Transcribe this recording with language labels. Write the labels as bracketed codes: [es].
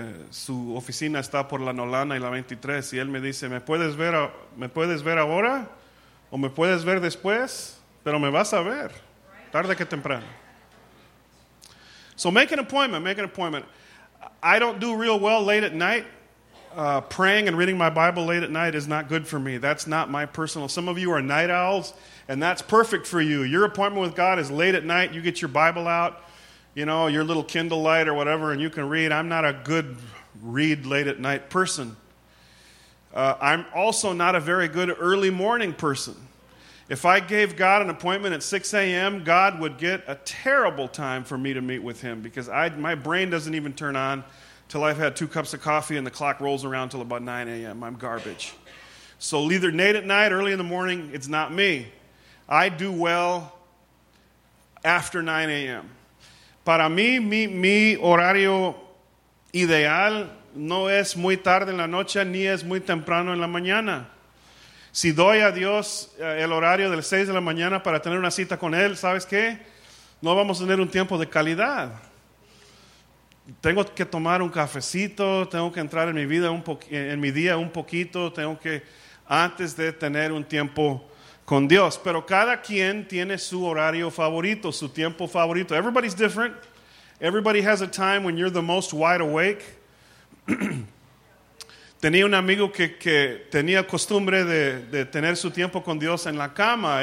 [es] Su oficina está por la Nolana y la 23. Y él me dice, ¿me puedes ver ahora? O me puedes ver después, pero me vas a ver tarde que temprano. [en] So make an appointment. I don't do real well late at night. Praying and reading my Bible late at night is not good for me. That's not my personal. Some of you are night owls, and that's perfect for you. Your appointment with God is late at night. You get your Bible out, you know, your little Kindle light or whatever, and you can read. I'm not a good read late at night person. I'm also not a very good early morning person. If I gave God an appointment at 6 a.m., God would get a terrible time for me to meet with him because my brain doesn't even turn on till I've had two cups of coffee and the clock rolls around till about 9 a.m. I'm garbage. So either late at night, early in the morning, it's not me. I do well after 9 a.m. [es] Para mí, mi horario ideal no es muy tarde en la noche ni es muy temprano en la mañana. Si doy a Dios el horario de las 6 de la mañana para tener una cita con Él, ¿sabes qué? No vamos a tener un tiempo de calidad. Tengo que tomar un cafecito, tengo que entrar en mi vida un poquito, tengo que antes de tener un tiempo con Dios. Pero cada quien tiene su horario favorito, su tiempo favorito. [en] Everybody's different. Everybody has a time when you're the most wide awake. [es] Tenía un amigo que tenía costumbre de tener su tiempo con Dios en la cama.